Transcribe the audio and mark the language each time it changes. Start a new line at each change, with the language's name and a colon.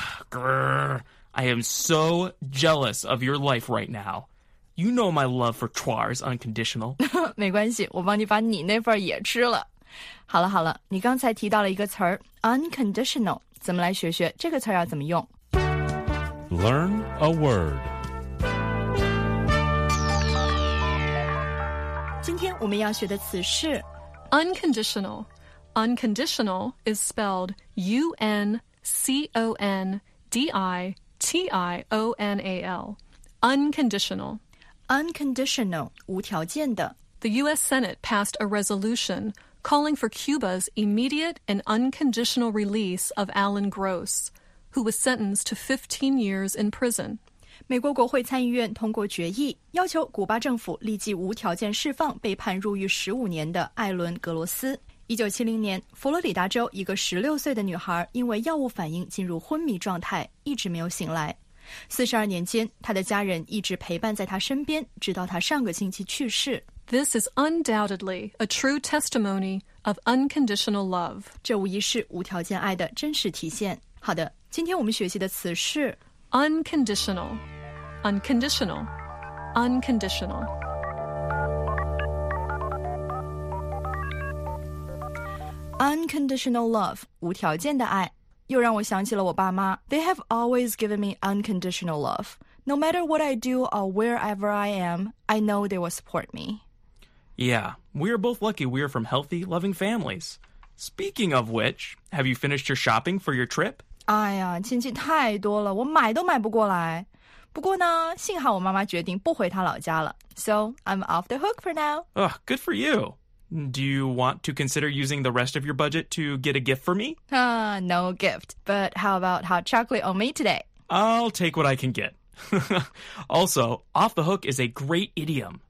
English: Grr, I am so jealous of your life right now. You know my love for串is unconditional.
Chinese: 没关系，我帮你把你那份也吃了。好了好了，你刚才提到了一个词儿 unconditional， 咱们来学学这个词要怎么用。
English: Learn a word.
Chinese: 今天我们要学的词是
English: unconditional. Unconditional is spelled UNCONDITIONAL. Unconditional. Unconditional,
Chinese: 无条件的。
English: The U.S. Senate passed a resolution calling for Cuba's immediate and unconditional release of Alan Gross. Who was sentenced to 15 years in prison.
Chinese: 美国国会参议院通过决议，要求古巴政府立即无条件释放被判入狱15年的艾伦·格罗斯。 1970年，佛罗里达州一个16岁的女孩因为药物反应进入昏迷状态，一直没有醒来。 42年间，她的家人一直陪伴在她身边，直到她上个星期去世。
English: This is undoubtedly a true testimony of unconditional love.
Chinese: 这无疑是无条件爱的真实体现。好的。今天我们学习的词是
English: unconditional, unconditional, unconditional. unconditional love,
Chinese: 无条件的爱。又让我想起了我爸妈。
English: They have always given me unconditional love. No matter what I do or wherever I am, I know they will support me. Yeah, we are both lucky we are from healthy, loving families. Speaking of which, have you finished your shopping for your trip?
Chinese: 哎呀，亲戚太多了，我买都买不过来。不过呢，幸好我妈妈决定不回她老家了。
English: So, I'm off the hook for now. Oh, good for you. Do you want to consider using the rest of your budget to get a gift for me? No gift. But how about hot chocolate on me today? I'll take what I can get. Also, off the hook is a great idiom.